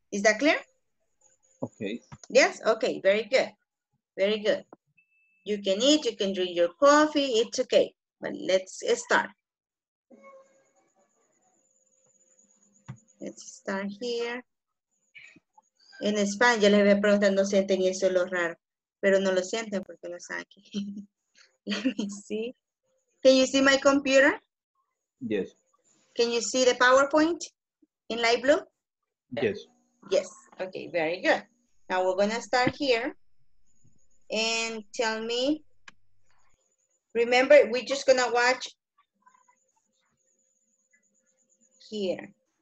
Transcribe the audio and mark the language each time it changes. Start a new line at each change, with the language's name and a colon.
English: Is that clear? Okay. Yes? Okay, very good. You can eat, you can drink your coffee, it's okay, but let's start here.
Spanish: En España, yo les había preguntado, no sienten, y eso es lo raro, pero no lo sienten porque no están aquí.
English: Let me see. Can you see my computer? Yes. Can you see the PowerPoint in light blue? Yes. Yes. Okay, very good. Now we're going to start here. And tell me, remember, we're just going to watch here.